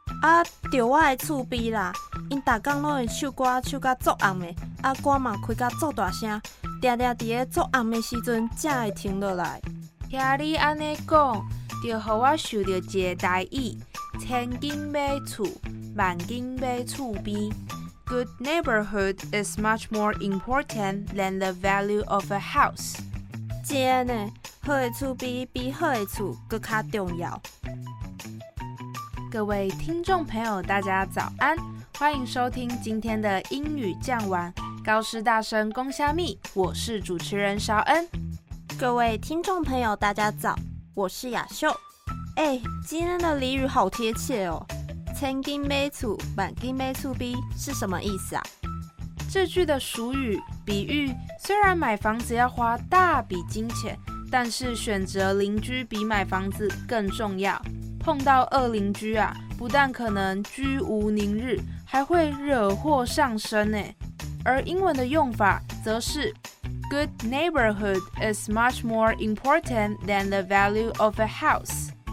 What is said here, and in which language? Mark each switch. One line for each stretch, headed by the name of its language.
Chinese: 啊，就我的厝边啦，因每天都会唱歌唱到很暗的，啊，歌也开到很大声，常常在很暗的时候才会停下来。听你这样说，就让我想到一个台语，千金买厝，萬金買厝邊。
English: Good neighborhood is much more important than the value of a house.
Chinese: 真的，好的厝邊比好的厝更加重要。各位听众朋友，大家早安，欢迎收听今天的英语讲完高师大生公虾米，我是主持人韶恩。各位听众朋友，大家早，我是雅秀。哎，今天的俚语好贴切哦。千金买厝，萬金買厝邊是什么意思啊？这句的俗语比喻，虽然买房子要花大笔金钱，但是选择邻居比买房子更重要。碰到恶邻居啊，不但可能居无宁日，还会惹祸上身呢。而英文的用法则是 ， Good neighborhood is much more important than the value of a house。